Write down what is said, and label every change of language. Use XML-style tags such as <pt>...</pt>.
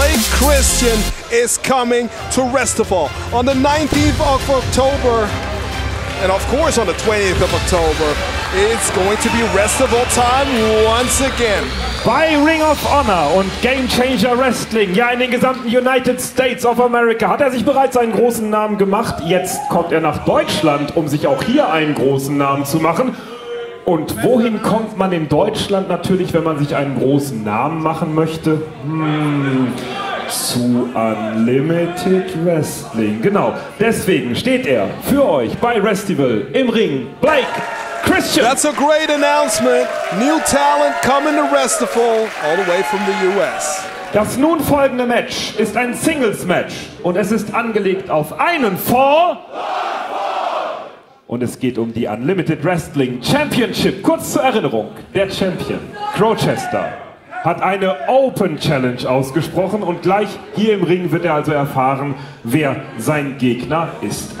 <en>Christian is coming to Wrestival on the 19th of October, and of course on the 20th of October, it's going to be Wrestival time once again.</en> <de>By Ring of Honor und Game Changer Wrestling, ja, in den gesamten United States of America hat sich bereits einen großen Namen gemacht. Jetzt kommt nach Deutschland, sich auch hier einen großen Namen zu machen. Und wohin kommt man in Deutschland natürlich, wenn man sich einen großen Namen machen möchte? Zu Unlimited Wrestling. Genau, deswegen steht für euch bei Wrestival im Ring Blake Christian. Christian.</de> <en>That's a great announcement. New talent coming to Wrestival all the way from the US.</en> <de>Das nun folgende Match ist ein Singles-Match und es ist angelegt auf einen Fall. Und es geht um die Unlimited Wrestling Championship. Kurz zur Erinnerung, der Champion, Crowchester, hat eine Open Challenge ausgesprochen und gleich hier im Ring wird er also erfahren, wer sein Gegner ist.</de>